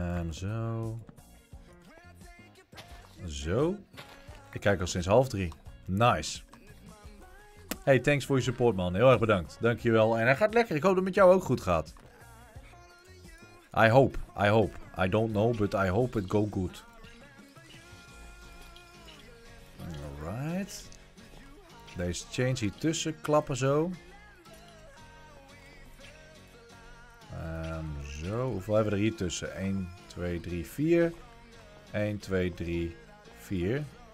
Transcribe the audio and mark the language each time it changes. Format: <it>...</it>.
<nl>Zo. Zo. Ik kijk al sinds 2:30. Nice. Hey, thanks voor je support, man. Heel erg bedankt. Dankjewel. En hij gaat lekker. Ik hoop dat het met jou ook goed gaat.</nl> <en>I hope. I don't know, but I hope it go good. Alright.</en> <nl>Deze change hier tussen klappen zo. Zo. Hoeveel hebben we er hier tussen? 1, 2, 3, 4. 1, 2, 3, 4.</nl>